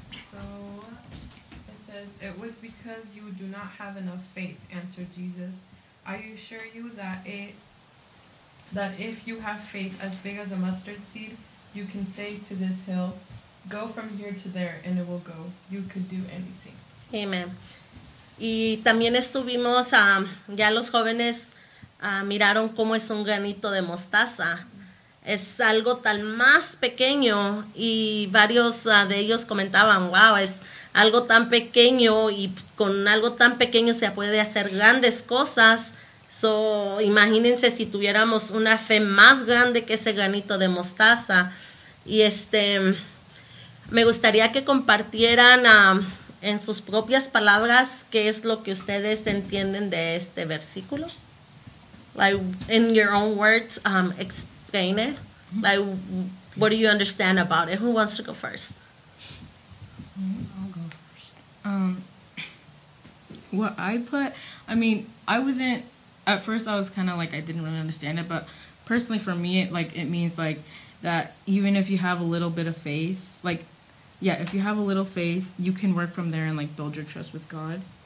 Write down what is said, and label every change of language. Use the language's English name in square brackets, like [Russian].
[English] So it says, it was because you do not have enough faith, answered Jesus. I assure you that if you have faith as big as a mustard seed, you can say to this hill, go from here to there, and it will go. You could do anything. Amen. [Spanish] Y también estuvimos, ya los jóvenes miraron cómo es un granito de mostaza. Es algo tan más pequeño y varios de ellos comentaban, wow, es algo tan pequeño y con algo tan pequeño se puede hacer grandes cosas. So, imagínense si tuviéramos una fe más grande que ese granito de mostaza. Y me gustaría que compartieran en sus propias palabras, ¿qué es lo que ustedes entienden de este versículo? [English] Like, in your own words, explain it. Like, what do you understand about it? Who wants to go first? I'll go first. At first I was kind of like, I didn't really understand it, but personally for me, it means like that even if you have a little bit of faith, like, yeah, if you have a little faith, you can work from there and, like, build your trust with God.